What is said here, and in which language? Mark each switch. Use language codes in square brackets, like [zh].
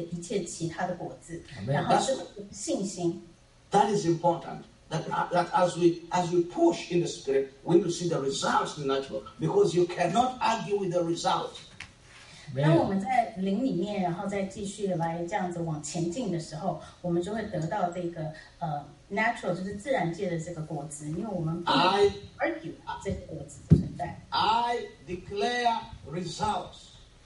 [zh] 所以我们现在就是要有这样子的教会，就是我们一直不停的在灵里面来投资，从灵里面来投资，从灵里面来投资，然后就自然产生出来，在自然界的一切其他的果子，然后是信心。 [en] That is important. That as we push in the spirit, we will see the results in the natural. Because you cannot argue with the result. [zh] 当我们在灵里面，然后再继续来这样子往前进的时候，我们就会得到这个。 Natural 就是自然界的这个果子，因为我们不argue这个果子的存在。 [en] I declare results.